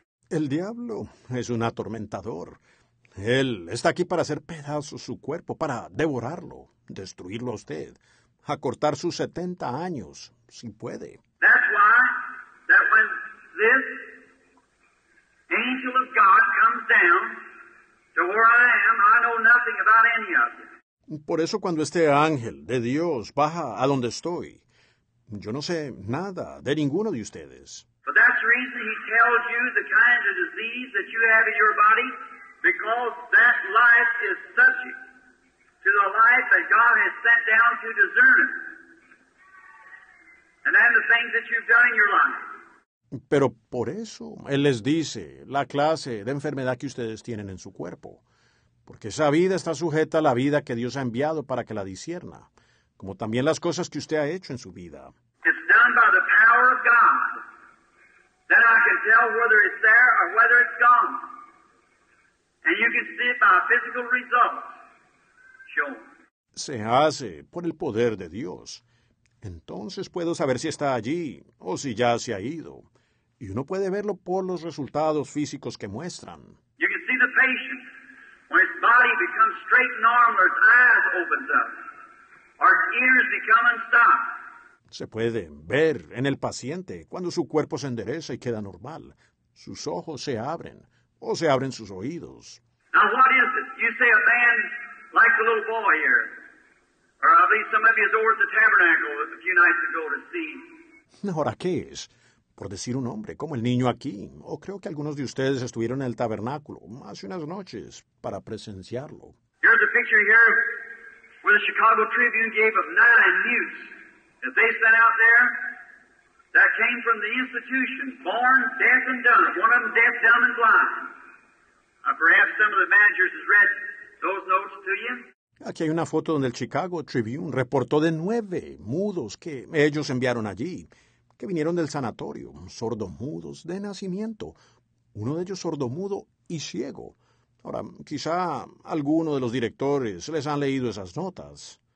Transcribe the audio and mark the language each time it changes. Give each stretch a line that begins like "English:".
Spanish: El diablo es un atormentador. Él está aquí para hacer pedazos su cuerpo, para devorarlo, destruirlo a usted, acortar sus 70 años, si puede.
English: That's why, that when this angel of God comes down to where I am, I know nothing about any of it.
Spanish: Por eso cuando este ángel de Dios baja a donde estoy, yo no sé nada de ninguno de ustedes.
English: But that's the reason he tells you the kind of disease that you have in your body, because that life is subject to the life that God has sent down to discern it. And then the things that you've done in your life.
Spanish: Pero por eso él les dice la clase de enfermedad que ustedes tienen en su cuerpo. Porque esa vida está sujeta a la vida que Dios ha enviado para que la discierna, como también las cosas que usted ha hecho en su vida.
English: It's done by the power of God. Then I can tell whether it's there or whether it's gone. And you can see it by physical results. Show.
Spanish: Se hace por el poder de Dios. Entonces puedo saber si está allí o si ya se ha ido. Y uno puede verlo por los resultados físicos que muestran.
English: You can see the patient. When his body becomes straight and normal, his eyes open up, our ears become unstopped.
Spanish: Se puede ver en el paciente cuando su cuerpo se endereza y queda normal. Sus ojos se abren, o se abren sus oídos.
English: Now what is it? You say a man like the little boy here, or at least some of you is over at the tabernacle a few nights ago to see.
Spanish: Ahora, ¿qué es? Por decir un hombre, como el niño aquí, o creo que algunos de ustedes estuvieron en el tabernáculo hace unas noches para presenciarlo.
English: Here's a picture here where the Chicago Tribune gave of nine youths that they sent out there that came from the institution, born deaf and dumb, one of them deaf, dumb and blind. Perhaps some of the managers has read those notes to you.
Spanish: Aquí hay una foto donde el Chicago Tribune reportó de 9 mudos que ellos enviaron allí, que vinieron del sanatorio, sordomudos de nacimiento. Uno de ellos sordomudo y ciego. Ahora, quizá alguno de los directores les han leído esas notas.